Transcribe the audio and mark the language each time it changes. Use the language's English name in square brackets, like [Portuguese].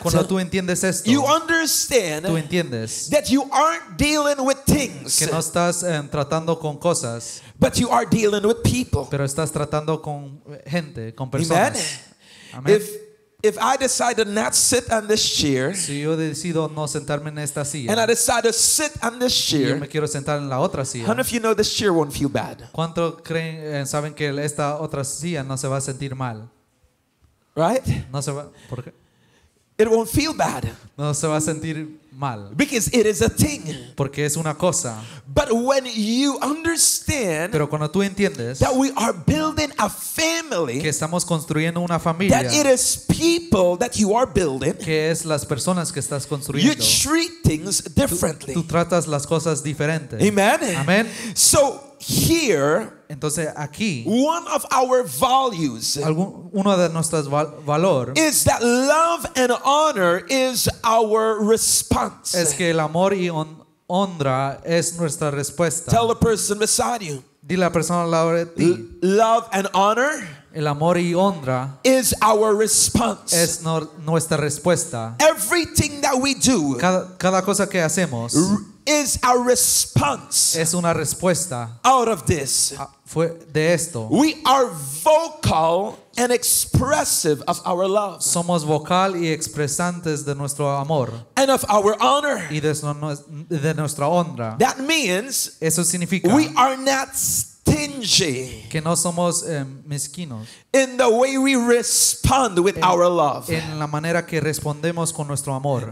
[Spanish] cuando tú entiendes esto, [English] you understand, [Spanish] tú entiendes, [English] that you aren't dealing with things. [Spanish] Que no estás tratando con cosas. [English] But you are dealing with people. [Spanish] Pero estás tratando con gente, con personas. [English] Amen. Amen. If I decide to not sit on this chair, [Spanish] si yo decido no sentarme en esta silla, [English] and I decide to sit on this chair, [Spanish] yo me quiero sentar en la otra silla. [English] How many of you know this chair won't feel bad? [Spanish] ¿Cuánto creen saben que esta otra silla no se va a sentir mal? [English] Right? [Spanish] No se va. ¿Por qué? [English] It won't feel bad. [Spanish] No se va a sentir mal. [English] Because it is a thing. [Spanish] Porque es una cosa. [English] But when you understand, [Spanish] pero cuando tú entiendes, [English] that we are building a family, [Spanish] que estamos construyendo una familia, [English] that it is people that you are building, [Spanish] que es las personas que estás construyendo, [English] you treat things differently. [Spanish] Tú tratas las cosas diferentes. [English] Amen. [Spanish] Amen. [English] So here, [Spanish] entonces aquí, [English] one of our values, [Spanish] uno de nuestros valor, [English] is that love and honor is our response. [Spanish] Es que el amor y honra es nuestra respuesta. [English] Tell the person beside you. [Spanish] Dile a la persona al lado de ti. [English] Love and honor. [Spanish] El amor y honra [English] is our response. [Spanish] Es nuestra respuesta. [English] Everything that we do. [Spanish] Cada cosa que hacemos. [English] Is a response. [Spanish] Es una respuesta. [English] Out of this. [Spanish] Fue de esto. [English] We are vocal and expressive of our love. [Spanish] Somos vocal y expresantes de nuestro amor. [English] And of our honor. [Spanish] Y de nuestra honra. [English] That means. [Spanish] Eso significa. [English] We are not stingy. [Spanish] Que no somos mezquinos. [English] In the way we respond with our love. [Spanish] En la manera que respondemos con nuestro amor.